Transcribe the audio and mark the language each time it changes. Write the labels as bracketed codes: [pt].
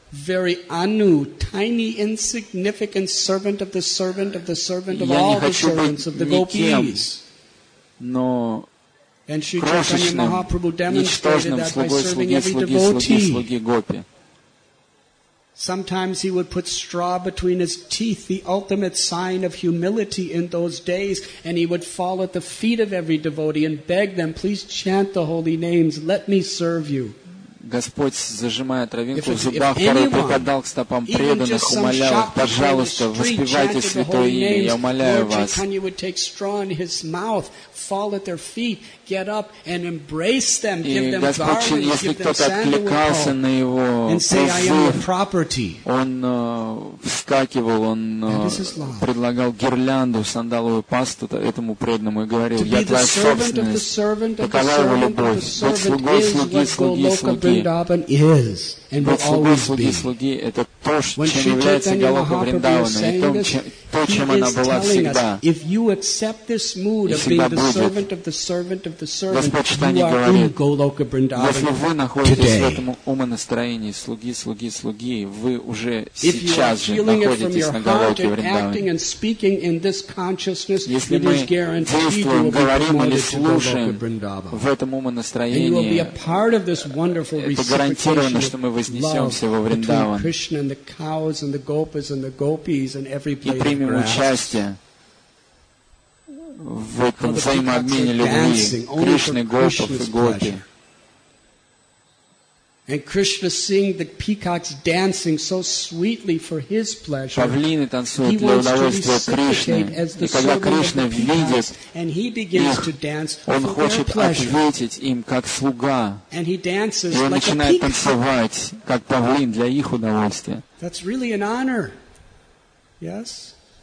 [ru] Я не хочу быть никем, но крошечным, ничтожным слугой слуги, слуги, слуги, слуги Гопи. [en] Sometimes he would put straw between his teeth, the ultimate sign of humility in those days, and he would fall at the feet of every devotee and beg them, please chant the holy names, let me serve you. [ru] Господь, зажимая травинку в зубах, который припадал к стопам преданных, умолял их, пожалуйста, воспевайте святое имя, я умоляю вас. [en] Chaitanya would take straw in his mouth, fall at their feet, get up and embrace them, give them garlands, give them sandalwood, [ru] он вскакивал, он предлагал гирлянду, сандаловую пасту этому преданному и говорил, я твоя собственность, такова его любовь, будь слугой, слуги, слуги, слуги. Вриндаван [en] is and will always be. [ru] Слуги, это то, чем является Голока Вриндавана, и то, чем она была всегда. [en] If you accept this mood of being the servant of the servant of the servant, you are in Goloka Vrindavan today. [ru] Если вы находитесь в этом умонастроении, слуги, слуги, слуги, вы уже сейчас же находитесь на Голоке Вриндаване. Если мы действуем, говорим или слушаем в этом умонастроении, это гарантировано, что мы вознесемся во Вриндаван и примем участие в этом взаимообмене любви Кришны, Гопов и Гопи. [en] And Krishna seeing the peacocks dancing so sweetly for his pleasure. [ru] Павлины танцуют для удовольствия Кришны. И когда Кришна видит их, он хочет ответить им как слуга. [en] And he dances [ru] и он начинает танцевать как павлин для их удовольствия. [en] That's really an honor. Yes?